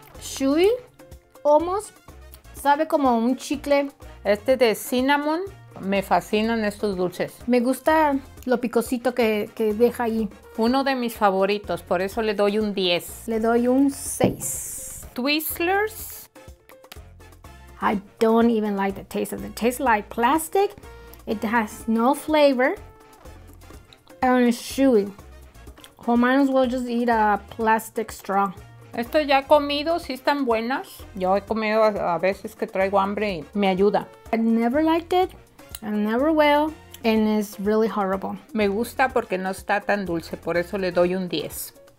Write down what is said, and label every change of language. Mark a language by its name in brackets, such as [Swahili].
[English] Chewy, almost, [Spanish] sabe como un chicle. Este de cinnamon, me fascinan estos dulces. Me gusta lo picosito que deja ahí. Uno de mis favoritos, por eso le doy un 10. Le doy un 6. Twizzlers. [English] I don't even like the taste of it. It tastes like plastic, it has no flavor, and it's chewy. Well, might as well just eat a plastic straw. [Spanish] Estas ya he comido, sí están buenas. Yo he comido a veces que traigo hambre y me ayuda. [English] I never liked it, I never will, and it's really horrible. [Spanish] Me gusta porque no está tan dulce, por eso le doy un 10.